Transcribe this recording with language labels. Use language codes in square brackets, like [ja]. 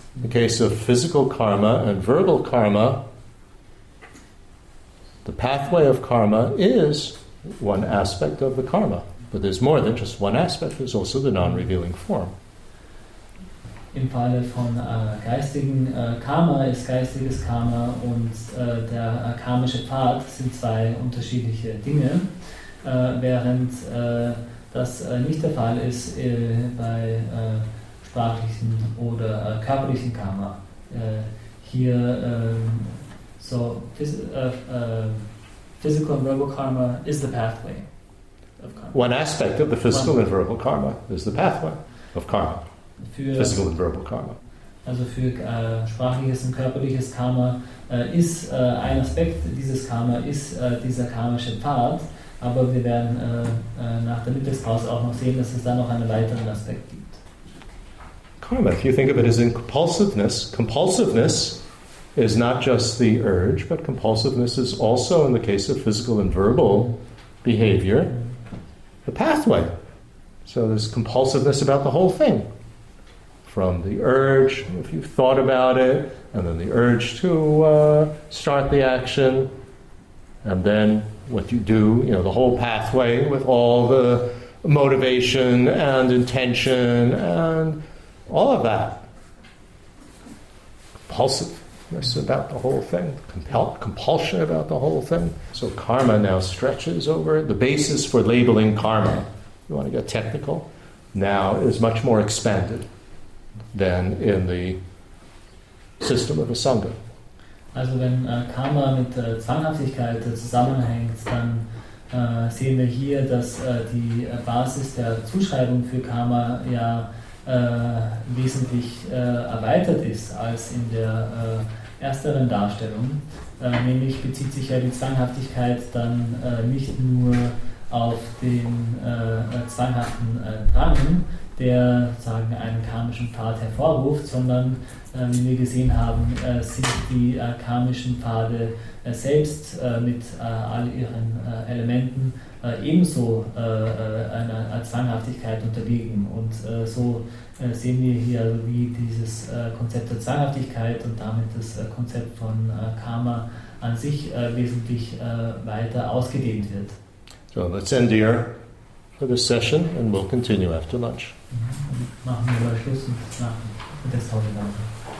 [en] In the case of physical karma and verbal karma, the pathway of karma is one aspect of the karma. But there's more than just one aspect, there's also the non-revealing form. [de] Im Falle von geistigen Karma ist geistiges Karma und der karmische Pfad sind zwei unterschiedliche Dinge. Während das nicht der Fall ist bei sprachlichen oder körperlichen Karma. [en] Hier, physical and verbal karma is the pathway. One aspect of the physical and verbal karma is the pathway of karma. Physical and verbal karma. [de] Also für sprachliches und körperliches Karma ist ein Aspekt dieses Karma ist dieser karmische Pfad, aber wir werden nach der Mittagspause auch noch sehen, dass es da noch einen weiteren Aspekt gibt. [en] Karma, if you think of it as in compulsiveness is not just the urge, but compulsiveness is also in the case of physical and verbal behavior. The pathway. So there's compulsiveness about the whole thing. From the urge, if you've thought about it, and then the urge to start the action, and then what you do, you know, the whole pathway with all the motivation and intention and all of that. Compulsiveness about the whole thing. Compulsion about the whole thing. So karma now stretches over. The basis for labeling karma, you want to get technical, now is much more expanded than in the system of a Sangha. [de] Also wenn Karma mit Zwanghaftigkeit zusammenhängt, dann sehen wir hier, dass die Basis der Zuschreibung für Karma ja wesentlich erweitert ist als in der ersteren Darstellung. Nämlich bezieht sich ja die Zwanghaftigkeit dann nicht nur auf den zwanghaften Drang, der sagen einen karmischen Pfad hervorruft, sondern wie wir gesehen haben, sind die karmischen Pfade selbst mit all ihren Elementen ebenso einer Zwanghaftigkeit unterliegen. Und so sehen wir hier, wie dieses Konzept der Zwanghaftigkeit und damit das Konzept von Karma an sich wesentlich weiter ausgedehnt wird. [en] So, let's end here for this session and we'll continue after lunch. [de] Machen wir mal Schluss und nach dem Mittagspause.